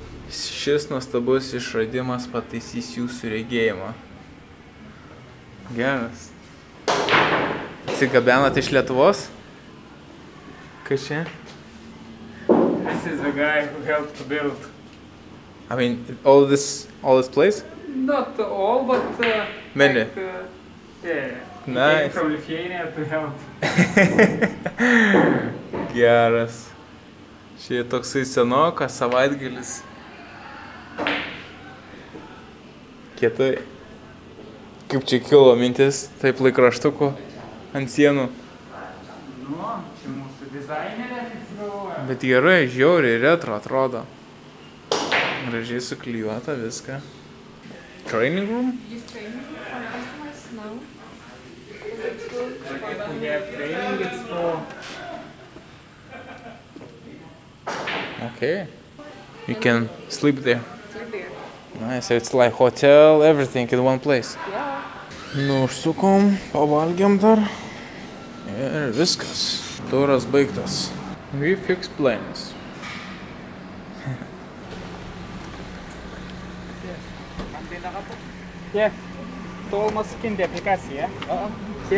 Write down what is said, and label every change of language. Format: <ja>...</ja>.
<lt>Šis nuostabus išradimas pataisys jūsų regėjimą. Geras. Atsigabenat iš Lietuvos? Ką čia?</lt> <en>This is the guy who helped to build. I mean, all this place? Not all, but... Many? Like, yeah, he came from Lithuania to help.</en> <lt>Geras. Šiai toksai senokas, savaitgalis. Kietai. Kaip čia kilo mintis, taip laikraštukų ant sienų. Nu, čia mūsų dizainerė atsigalvoja. Bet gerai, žiauriai retro atrodo. Gražiai suklijuota viską.</lt> <en>Training room? Jis training room for customers? No. Is it cool? If we have training, it's for... Okay. You can sleep there. Sleep there. Nice, it's like hotel, everything in one place. Yeah.</en> <lt>Nu, užsukom, pavalgėm dar. Ir viskas. Turas baigtas.</lt> <en>We fix plans. Yeah.</en>